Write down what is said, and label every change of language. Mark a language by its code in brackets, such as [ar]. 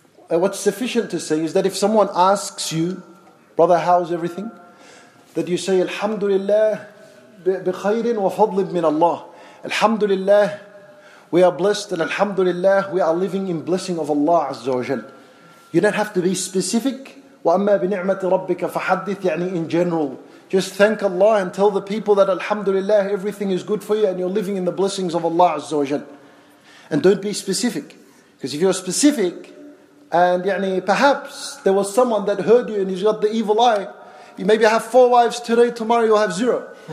[en] What's sufficient to say is that if someone asks you, brother, how's everything? That you say, Alhamdulillah, [ar] بِخَيْرٍ وَفَضْلٍ مِّنَ اللَّهِ الْحَمْدُ لِلَّهِ [en] We are blessed and alhamdulillah, we are living in blessing of Allah Azza wa Jal. You don't have to be specific. [ar] وَأَمَّا بِنِعْمَةِ رَبِّكَ فَحَدِّثْ يعني [en] in general. Just thank Allah and tell the people that alhamdulillah, everything is good for you and you're living in the blessings of Allah Azza wa Jal. And don't be specific. Because if you're specific, and يعني perhaps there was someone that heard you and he's got the evil eye, you maybe have 4 wives today, tomorrow you'll have 0.